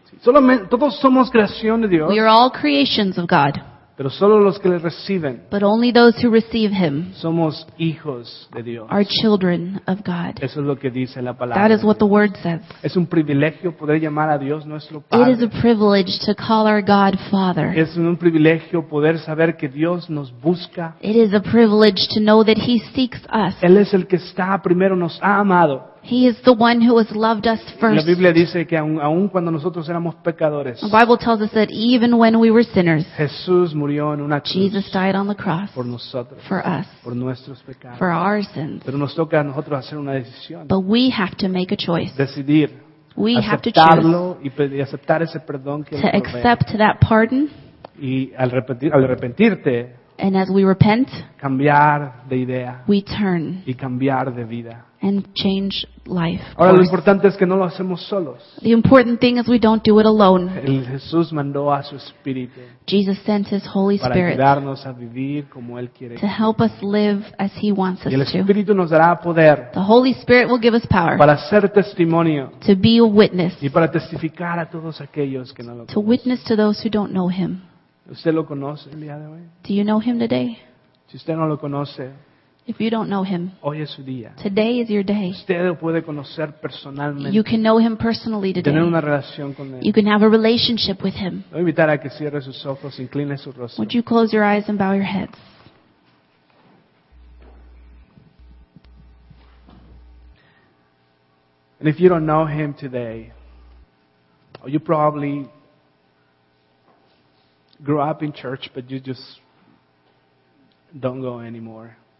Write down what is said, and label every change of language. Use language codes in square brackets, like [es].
[es] Solamente, todos somos creación de Dios. [en] We are all creations of God. [es] Pero solo los que le reciben. [en] But only those who receive Him. [es] Somos hijos de Dios. [en] Are children of God. [es] Eso es lo que dice la palabra. [en] That is what the word says. [es] Es un privilegio poder llamar a Dios nuestro padre. [en] It is a privilege to call our God Father. [es] Es un privilegio poder saber que Dios nos busca. [en] It is a privilege to know that He seeks us. [es] Él es el que está primero, nos ha amado. [en] He is the one who has loved us first. [es] La Biblia dice que aun cuando nosotros éramos pecadores. [en] The Bible tells us that even when we were sinners. [es] Jesús murió en una cruz. [en] Jesus died on the cross. [es] Por nosotros. [en] For us. [es] Por nuestros pecados. [en] For our sins. [es] Pero nos toca a nosotros hacer una decisión. [en] But we have to make a choice. [es] Decidir. [en] We have to choose. [es] Aceptarlo y aceptar ese perdón que [en] to accept that pardon. [es] Y al arrepentirte. [en] And as we repent, [es] cambiar de idea, [en] we turn [es] y cambiar de vida. [en] And change life. [es] Ahora, lo importante es que no lo hacemos solos. [en] The important thing is we don't do it alone. [es] El Jesús mandó a su Espíritu. [en] Jesus sent His Holy Spirit [es] para ayudarnos a vivir como Él quiere. [en] To help us live as He wants us to. [es] Y el Espíritu nos dará poder. [en] The Holy Spirit will give us power. [es] Para ser testimonio. [en] To be a witness. [es] Y para testificar a todos aquellos que no lo conocen. [en] To witness to those who don't know Him. [es] ¿Usted lo conoce el día de hoy? [en] Do you know Him today? [es] Si usted no lo conoce, [en] if you don't know Him, [es] hoy es su día. [en] Today is your day. [es] Usted lo puede conocer personalmente. [en] You can know Him personally today. [es] Tener una relación con Él. [en] You can have a relationship with Him. [es] Voy a invitar a que cierre sus ojos, incline su rostro. [en] Would you close your eyes and bow your heads? And if you don't know Him today, or you probably grew up in church, but you just don't go anymore.